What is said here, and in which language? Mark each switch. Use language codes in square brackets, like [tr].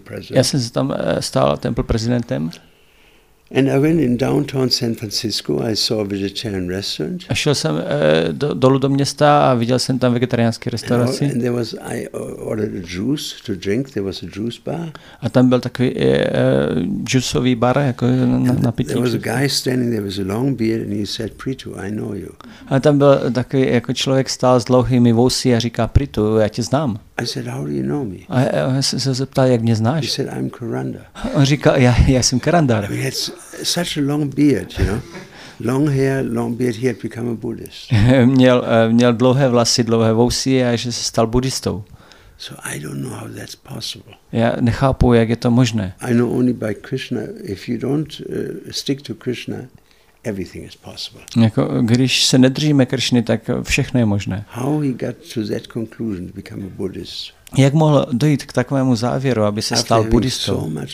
[cs] Já jsem se tam stal temple prezidentem. [en] And I went in downtown San Francisco. I saw a vegetarian restaurant. [cs] A šel jsem dolů do města a viděl jsem tam vegetariánské restauraci. [en] And there was I ordered a juice to drink. There was a juice bar. [cs] A tam byl takový juiceový bar jako na pití. [en] There was a guy standing there with a long beard and he said, "Prithu, I know you." [cs] A tam byl takový jako člověk stál s dlouhými vousy a říká, "Prithu, já tě znám." [en] I said, "How do you know me?" [cs] A jsem se zeptal, jak mě znáš. [en] He said, "I'm Karanda." [cs] On říkal, já jsem Karandar. [en] Such a long beard, you know. Long hair, long beard, he had become a Buddhist. [cs] Měl dlouhé vlasy, dlouhé vousy a že se stal buddhistou. [en] So I don't know how that's possible. [cs] Já nechápu, jak je to možné. [en] I know only by Krishna. If you don't stick to Krishna, everything is possible. [cs] Jako, když se nedržíme Krishny, tak všechno je možné. [en] How he got to that conclusion to become a Buddhist? [cs] Jak mohl dojít k takovému závěru, aby se stal buddhistou?